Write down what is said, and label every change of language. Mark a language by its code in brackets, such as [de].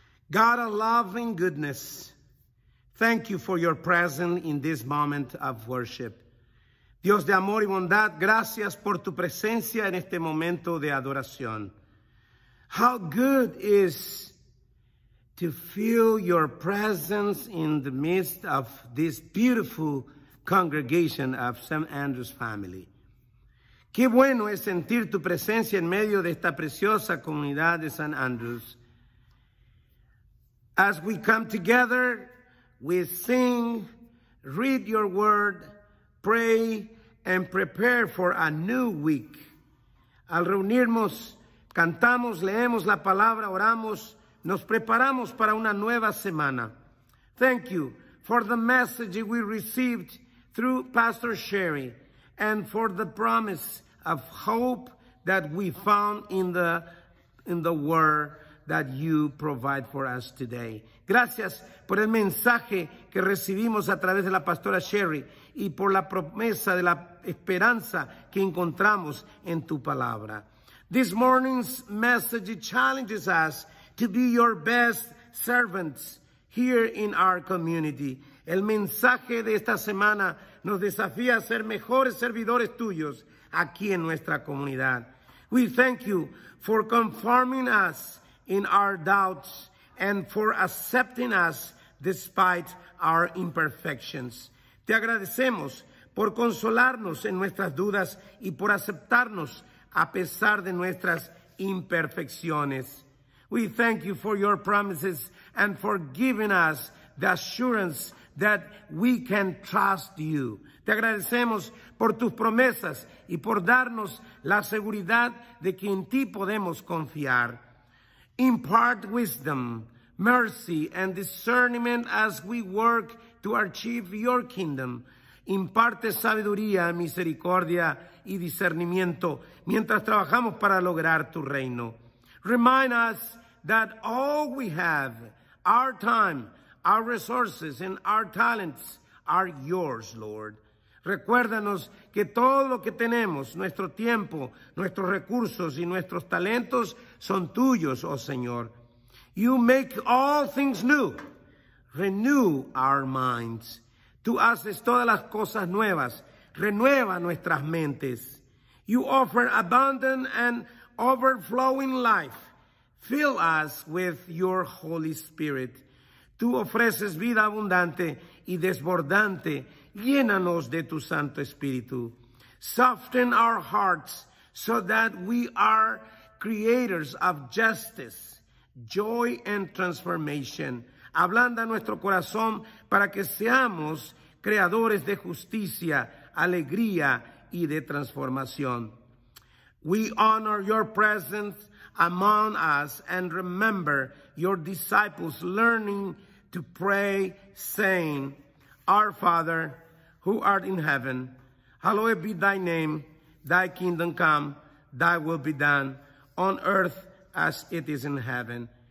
[en] God of love and goodness, thank you for your presence in this moment of worship. [es] Dios de amor y bondad, gracias por tu presencia en este momento de adoración. [en] How good is to feel your presence in the midst of this beautiful congregation of St. Andrew's family. [es] Qué bueno es sentir tu presencia en medio de esta preciosa comunidad de St. Andrew's. [en] As we come together, we sing, read your word, pray, and prepare for a new week. [es] Al reunirnos, cantamos, leemos la palabra, oramos, nos preparamos para una nueva semana. [en] Thank you for the message we received through Pastor Sherri and for the promise of hope that we found in the word that you provide for us today. [es] Gracias por el mensaje que recibimos a través de la pastora Sherri y por la promesa de la esperanza que encontramos en tu palabra. [en] This morning's message challenges us to be your best servants here in our community. [es] El mensaje de esta semana nos desafía a ser mejores servidores tuyos aquí en nuestra comunidad. [en] We thank you for confirming us in our doubts and for accepting us despite our imperfections. [es] Te agradecemos por consolarnos en nuestras dudas y por aceptarnos a pesar de nuestras imperfecciones. [en] We thank you for your promises and for giving us the assurance that we can trust you. [es] Te agradecemos por tus promesas y por darnos la seguridad de que en ti podemos confiar. [en] Impart wisdom, mercy, and discernment as we work to achieve your kingdom. [es] Imparte sabiduría, misericordia, y discernimiento mientras trabajamos para lograr tu reino. [en] Remind us that all we have, our time, our resources, and our talents are yours, Lord. [es] Recuérdanos que todo lo que tenemos, nuestro tiempo, nuestros recursos y nuestros talentos son tuyos, oh Señor. [en] You make all things new. Renew our minds. [es] Tú haces todas las cosas nuevas. Renueva nuestras mentes. [en] You offer abundant and overflowing life. Fill us with your Holy Spirit. [es] Tú ofreces vida abundante y desbordante. Llénanos de tu Santo Espíritu. [en] Soften our hearts so that we are creators of justice, joy, and transformation. [es] Ablanda nuestro corazón para que seamos creadores de justicia, alegría, y de transformación. [en] We honor your presence among us and remember your disciples learning to pray, saying, Our Father, who art in heaven, hallowed be thy name, thy kingdom come, thy will be done, on earth as it is in heaven.